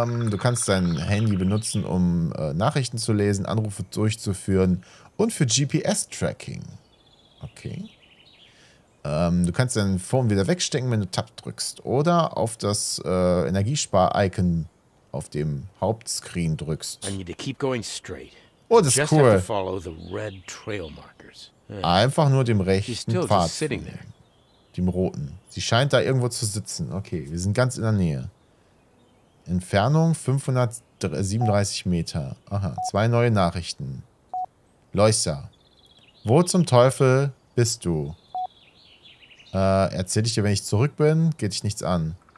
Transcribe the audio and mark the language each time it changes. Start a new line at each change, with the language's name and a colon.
German: Du kannst dein Handy benutzen, um Nachrichten zu lesen, Anrufe durchzuführen und für GPS-Tracking. Okay. Du kannst deinen Phone wieder wegstecken, wenn du Tab drückst. Oder auf das Energiespar-Icon auf dem Hauptscreen drückst.
English: I need to keep going straight.
German: Oh, das ist cool.
English: Just have to follow the red trail markers.
German: Einfach nur dem rechten Pfad.
English: Sitting there.
German: Dem roten. Sie scheint da irgendwo zu sitzen. Okay, wir sind ganz in der Nähe. Entfernung 537 Meter. Aha, zwei neue Nachrichten. Leuchter. Wo zum Teufel bist du? Erzähl ich dir, wenn ich zurück bin? Geht dich nichts an.